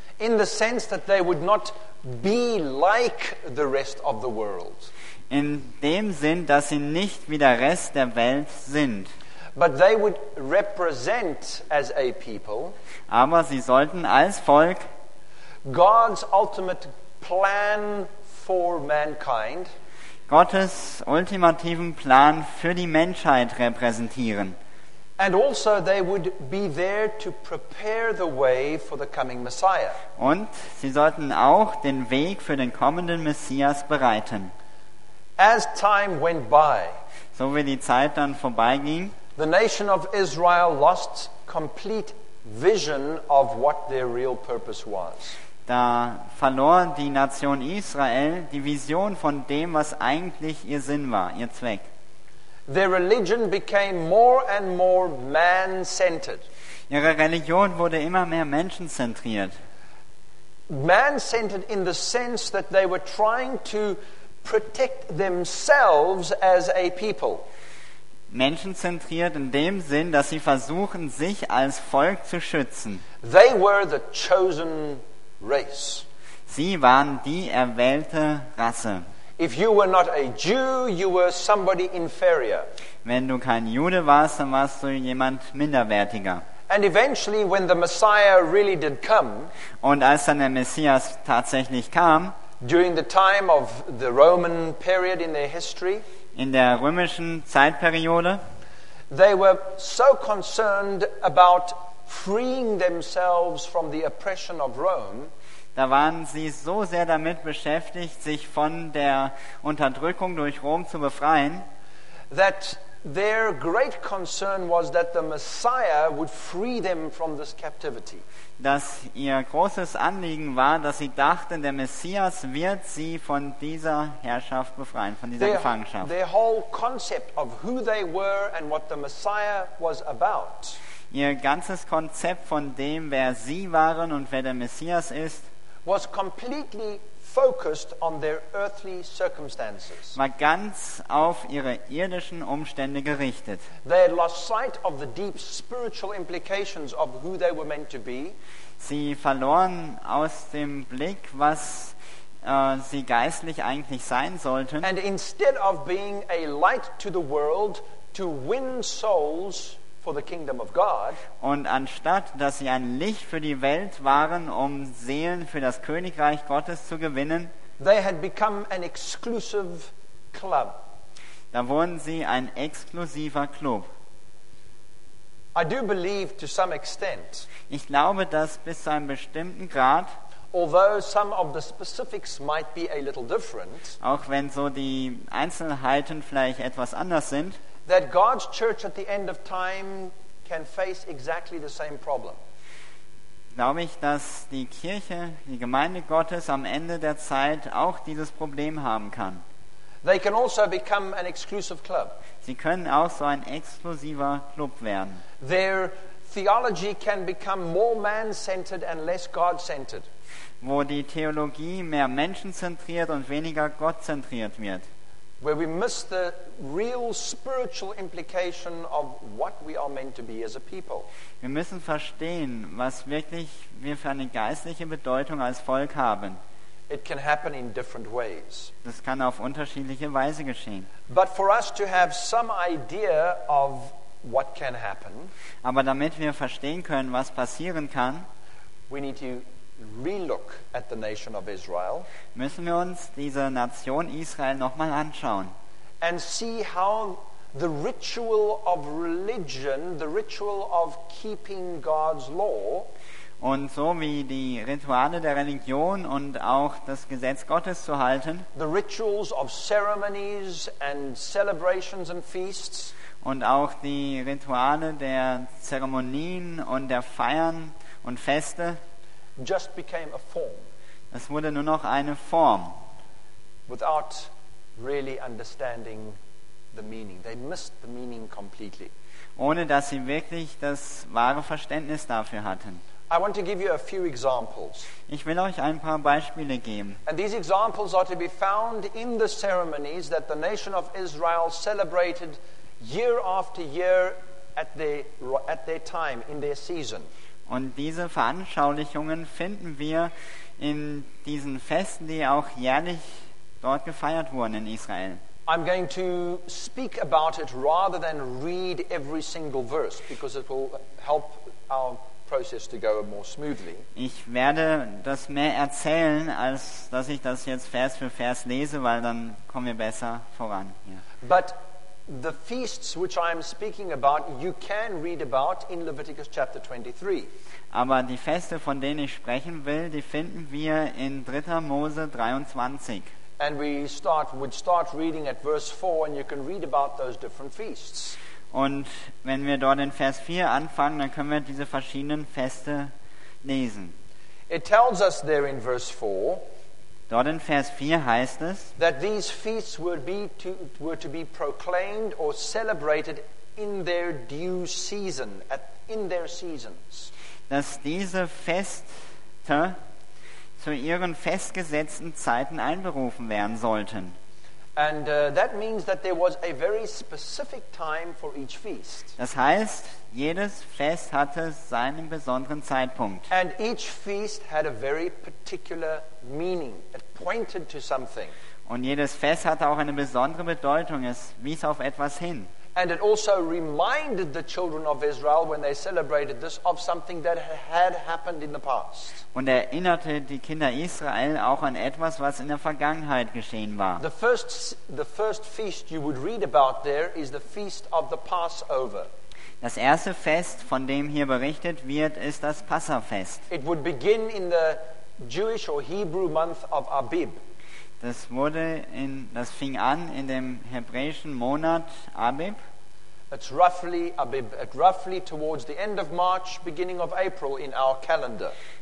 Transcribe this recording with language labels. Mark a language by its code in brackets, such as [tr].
[en] In the sense that they would not be like the rest of the world. [de] In dem Sinn, dass sie nicht wie der Rest der Welt sind. [en] But they would represent as a people. [de] Aber sie sollten als Volk [en] God's ultimate plan for mankind. [de] Gottes ultimativen Plan für die Menschheit repräsentieren. [en] And also they would be there to prepare the way for the coming Messiah. [de] Und sie sollten auch den Weg für den kommenden Messias bereiten. [en] As time went by, [de] so wie die Zeit dann vorbeiging, [en] the nation of Israel lost complete vision of what their real purpose was. [de] Da verlor die Nation Israel die Vision von dem, was eigentlich ihr Sinn war, ihr Zweck. [en] Their religion became more and more man-centered. [de] Ihre Religion wurde immer mehr menschenzentriert. [en] Man-centered in the sense that they were trying to protect themselves as a people. [de] Menschenzentriert in dem Sinn, dass sie versuchen, sich als Volk zu schützen. [en] They were the chosen race. [de] Sie waren die erwählte Rasse. [en] If you were not a Jew, you were somebody inferior. [de] Wenn du kein Jude warst, dann warst du jemand minderwertiger. [en] And eventually, when the Messiah really did come, [de] und als dann der Messias tatsächlich kam, [en] during the time of the Roman period in their history, [de] in der römischen Zeitperiode, [en] they were so concerned about freeing themselves from the oppression of Rome. [de] Da waren sie so sehr damit beschäftigt, sich von der Unterdrückung durch Rom zu befreien, [en] that their great concern was that the Messiah would free them from this captivity. [de] Dass ihr großes Anliegen war, dass sie dachten, der Messias wird sie von dieser Herrschaft befreien, von dieser Gefangenschaft. [en] Their whole concept of who they were and what the Messiah was about. [de] Ihr ganzes Konzept von dem, wer sie waren und wer der Messias ist, [en] was completely focused on their earthly circumstances. [de] War ganz auf ihre irdischen Umstände gerichtet. [en] They had lost sight of the deep spiritual implications of who they were meant to be. [de] Sie verloren aus dem Blick, was sie geistlich eigentlich sein sollten. [en] And instead of being a light to the world to win souls for the kingdom of God, [de] und anstatt dass sie ein Licht für die Welt waren, um Seelen für das Königreich Gottes zu gewinnen, [en] they had become an exclusive club. [de] Da wurden sie ein exklusiver Club. [en] I do believe to some extent, [de] ich glaube, dass bis zu einem bestimmten Grad, [en] although some of the specifics might be a little different, [de] auch wenn so die Einzelheiten vielleicht etwas anders sind, [en] that God's church at the end of time can face exactly the same problem. [de] Glaube ich, dass die Kirche, die Gemeinde Gottes am Ende der Zeit auch dieses Problem haben kann. [en] They can also become an exclusive club. [de] Sie können auch so ein exklusiver Club werden. [en] Their theology can become more man-centered and less God-centered. [de] Wo die Theologie mehr menschenzentriert und weniger gottzentriert wird. [en] Where we miss the real spiritual implication of what we are meant to be as a people. [de] Wir müssen verstehen, was wirklich wir für eine geistliche Bedeutung als Volk haben. [en] It can happen in different ways. [de] Das kann auf unterschiedliche Weise geschehen. [en] But for us to have some idea of what can happen, [de] aber damit wir verstehen können, was passieren kann, [en] we need to relook at the nation of Israel, [de] müssen wir uns diese Nation Israel nochmal anschauen, [en] and see how the ritual of religion, the ritual of keeping God's law, [de] und so wie die Rituale der Religion und auch das Gesetz Gottes zu halten, [en] the rituals of ceremonies and celebrations and feasts, [de] und auch die Rituale der Zeremonien und der Feiern und Feste, [en] just became a form. [de] Es wurde nur noch eine Form. [en] Without really understanding the meaning. They missed the meaning completely. [de] Ohne dass sie wirklich das wahre Verständnis dafür hatten. [en] I want to give you a few examples. [de] Ich will euch ein paar Beispiele geben. [en] And these examples are to be found in the ceremonies that the nation of Israel celebrated year after year at their time, in their season. [de] Und diese Veranschaulichungen finden wir in diesen Festen, die auch jährlich dort gefeiert wurden in Israel. [en] I'm going to speak about it rather than read every single verse, because it will help our process to go more smoothly. [de] Ich werde das mehr erzählen, als dass ich das jetzt Vers für Vers lese, weil dann kommen wir besser voran hier. [en] But the feasts which I am speaking about, you can read about in Leviticus chapter 23. [de] Aber die Feste, von denen ich sprechen will, die finden wir in 3. Mose 23. [en] And we would start reading at verse 4, and you can read about those different feasts. [de] Und wenn wir dort in Vers 4 anfangen, dann können wir diese verschiedenen Feste lesen. [en] It tells us there in verse 4, [de] dort in Vers 4 heißt es, [en] that these feasts were to be proclaimed or celebrated in their due season, in their seasons. [de] Dass diese Feste zu ihren festgesetzten Zeiten einberufen werden sollten. [en] And that means that there was a very specific time for each feast. [de] Das heißt, jedes Fest hatte seinen besonderen Zeitpunkt. [en] And each feast had a very particular meaning. It pointed to something. [de] Und jedes Fest hatte auch eine besondere Bedeutung. Es wies auf etwas hin. [en] And it also reminded the children of Israel when they celebrated this of something that had happened in the past. [de] Und erinnerte die Kinder Israel auch an etwas, was in der Vergangenheit geschehen war. [en] The first feast you would read about there is the feast of the Passover. [de] Das erste Fest, von dem hier berichtet wird, ist das Passafest. [en] It would begin in the Jewish or Hebrew month of Abib. [de] Das fing an in dem hebräischen Monat Abib. [en] It's roughly towards the end of March, beginning of April in our calendar.